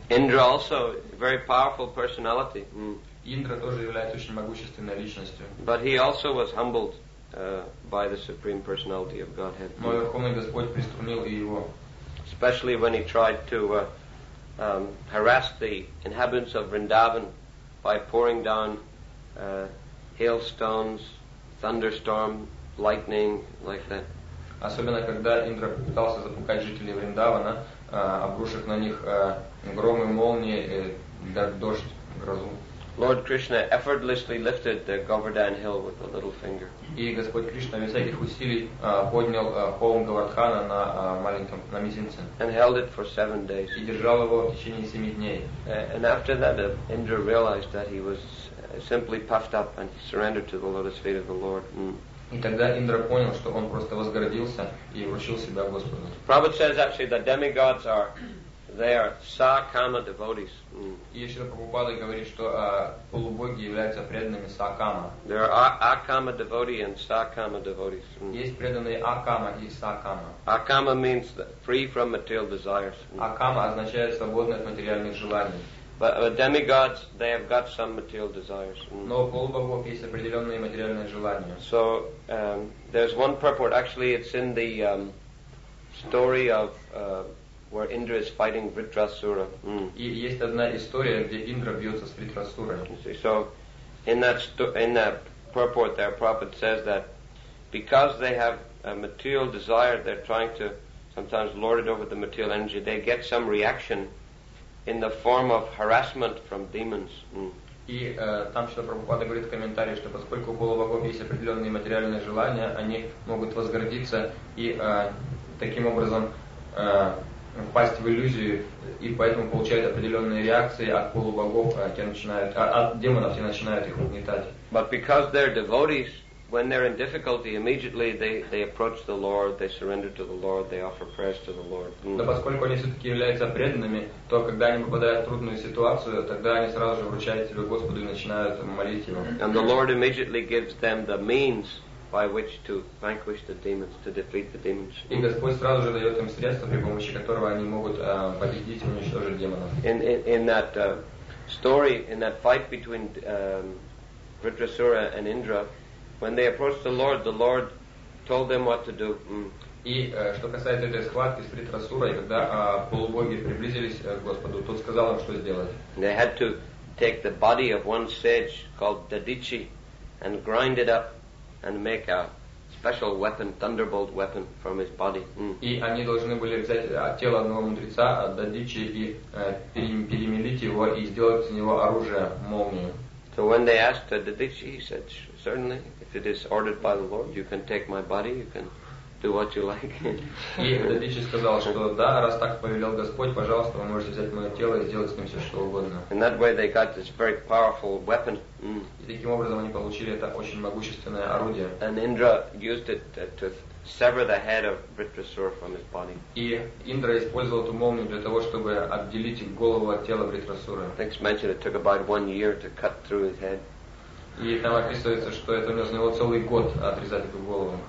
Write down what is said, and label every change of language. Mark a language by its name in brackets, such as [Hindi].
[English] Indra also very powerful personality. [Russian] Индра тоже является очень могущественной личностью. [English] But he also was humbled by the Supreme Personality of Godhead. [Russian] Но Верховный Господь приструнил и его. [English] Especially when he tried to harass the inhabitants of Vrindavan by pouring down hailstones, thunderstorm, lightning, like that. [Russian] Особенно когда Индра пытался запугать жителей Вриндавана, обрушив на них громы, молнии, дождь, грозу. [English] Lord Krishna effortlessly lifted the Govardhan hill with a little finger. [Russian] И Господь Кришна без всяких усилий поднял холм Говардхана на маленьком, на мизинце. [English] And held it for 7 days. [Russian] И держал его в течение 7 дней. [English] And after that, Indra realized that he was simply puffed up and he surrendered to the lotus feet of the Lord. [Russian] И тогда Индра понял, что он просто возгордился и вручил себя Господу. [English] Prabhupada says actually that demigods are there sa kama devotees. [Russian] И Шрила Прабхупада говорит, что полубоги являются преданными са кама. [English] There are akama devotee and sa kama devotees. [Russian] Есть преданные акама и са кама. [English] Акама means free from material desires. [Russian] Акама означает свободный от материальных желаний. [English] But demigods, they have got some material desires. [Russian] Но полубогов есть определенные материальные желания. [English] So there's one purport. Actually, it's in the story of where Indra is fighting Vritrasura. [Russian] И есть одна история, где Индра бьется с Вритрасурой. [English] So in that purport, there Prabhupada says that because they have a material desire, they're trying to sometimes lord it over the material energy. They get some reaction in the form of harassment from demons. [Russian] И там что Прабхупада говорит в комментарии, что поскольку у полубогов есть определенные материальные желания, они могут возгордиться и таким образом впасть в иллюзию, и поэтому получают определенные реакции от полубогов, от демонов, и начинают их угнетать. [English] But because they're devotees, when they're in difficulty, immediately they approach the Lord, they surrender to the Lord, they offer prayers to the Lord. [Russian] Но поскольку они все-таки являются преданными, то когда они попадают в трудную ситуацию, тогда они сразу же обращаются к Господу и начинают молить Его. [English] And the Lord immediately gives them the means by which to vanquish the demons, to defeat the demons. [Russian] И Господь сразу же дает им средства, при помощи которого они могут победить и уничтожить демонов. [English] In that fight between Vritrasura and Indra, when they approached the Lord told them what to do. [Russian] И что касается этой схватки с Вритрасурой, когда полубоги приблизились к Господу, тот сказал им, что сделать. [English] They had to take the body of one sage called Dadichi and grind it up and make a special weapon, thunderbolt weapon from his body. [Russian] И они должны были взять тело одного мудреца, Дадичи, и перемелить его и сделать из него оружие, молнию. [English] So when they asked Дадичи, he said, certainly, if it is ordered by the Lord, you can take my body, you can do what you like. [Russian] И Дадичи сказал, что да, раз так повелел Господь, пожалуйста, вы можете взять мое тело и сделать с ним все, что угодно. [English] In that way they got this very powerful weapon. [Russian] И таким образом они получили это очень могущественное орудие. [English] And Indra used it to sever the head of Vritrasura from his body. [Russian] И Индра использовал эту молнию для того, чтобы отделить голову от тела Вритрасуры. [English] It's mentioned it took about 1 year to cut through his head. [Russian] И там описывается, что это нужно него целый год отрезать эту голову.